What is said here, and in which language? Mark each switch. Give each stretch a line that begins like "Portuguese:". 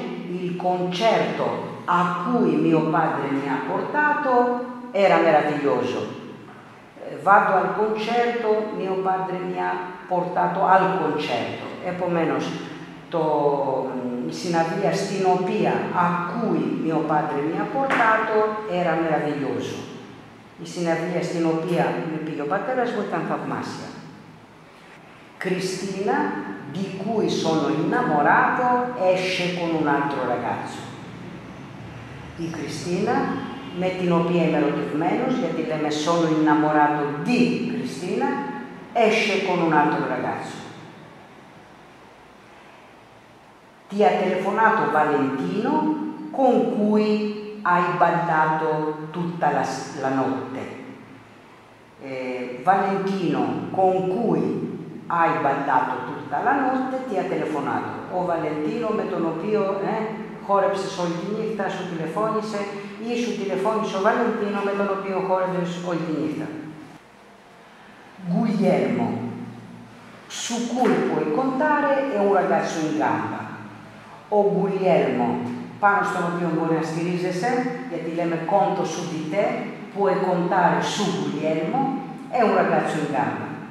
Italian: Il concerto a cui mio padre mi ha portato era meraviglioso. Vado al concerto, mio padre mi ha portato al concerto.
Greek: Επομένως, το συναυλία στην οποία
Italian: a cui mio padre mi ha portato era meraviglioso.
Greek: Η συναυλία στην οποία με πήγε ο πατέρας μου ήταν θαυμάσια.
Italian: Cristina, di cui sono innamorato, esce con un altro ragazzo.
Greek: Η Cristina, με την οποία είμαι ερωτευμένος, γιατί λέμε
Italian: sono innamorato di Cristina, esce con un altro ragazzo. Ti ha telefonato Valentino, con cui hai ballato tutta la notte. Valentino, con cui hai ballato tutta la notte, ti ha telefonato.
Greek: O Valentino, με τον οποίο χόρεψες όλη τη νύχτα, σου τηλεφώνησε, ή σου τηλεφώνησε ο Βαλεντίνο, με τον οποίο χόρεψες όλη τη νύχτα.
Italian: Guglielmo, su cui puoi contare è un ragazzo in gamba. O Guglielmo,
Greek: πάνω στον οποίο μπορεί να στηρίζεσαι, γιατί λέμε
Italian: conto su di te, puoi contare su Guglielmo, è un ragazzo in gamba.